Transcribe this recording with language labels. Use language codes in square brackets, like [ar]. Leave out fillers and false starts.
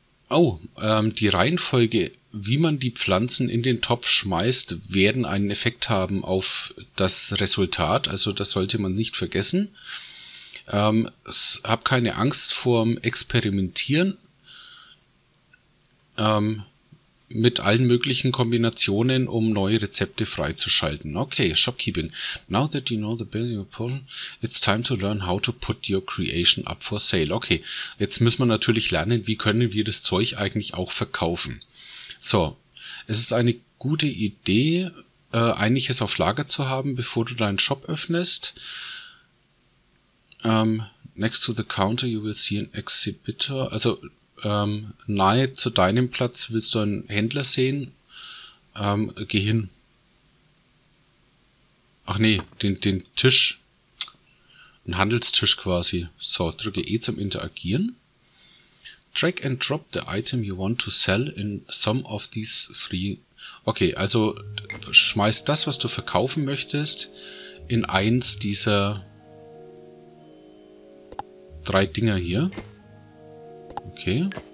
[de] Oh, die Reihenfolge, wie man die Pflanzen in den Topf schmeißt, werden einen Effekt haben auf das Resultat. Also das sollte man nicht vergessen. Hab keine Angst vorm Experimentieren. Mit allen möglichen Kombinationen, um neue Rezepte freizuschalten. [en] Okay, Shopkeeping. Now that you know the building of potion, it's time to learn how to put your creation up for sale. [de] Okay, jetzt müssen wir natürlich lernen, wie können wir das Zeug eigentlich auch verkaufen. So, es ist eine gute Idee, einiges auf Lager zu haben, bevor du deinen Shop öffnest. [en] Next to the counter you will see an exhibitor, also... [de] nahe zu deinem Platz willst du einen Händler sehen? Geh hin. Ach nee, den Tisch. Ein Handelstisch quasi. So, drücke E zum Interagieren. [en] Drag and drop the item you want to sell in some of these 3. [de] Okay, also schmeiß das, was du verkaufen möchtest, in eins dieser 3 Dinger hier. Okay.